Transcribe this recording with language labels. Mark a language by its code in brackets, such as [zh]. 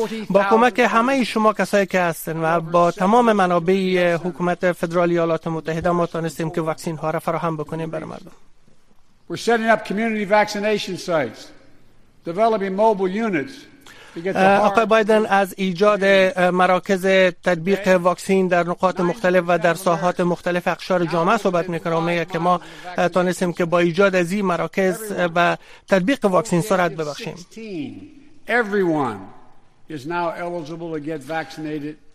[fa] با کمک همه شما کسایی که هستن و با تمام منابع حکومت فدرال ایالات متحده ما تانستیم که واکسین ها را فراهم بکنیم برای مردم. [en] We're setting up community vaccination sites, developing mobile units. [fa] آقای بایدن از ایجاد مراکز تطبیق واکسین در نقاط مختلف و در ساحات مختلف اقشار جامعه صحبت میکنه و میگه که ما تانستیم که با ایجاد از این مراکز و تطبیق واکسین سرعت ببخشیم. [en] Everyone is now eligible to get vaccinated.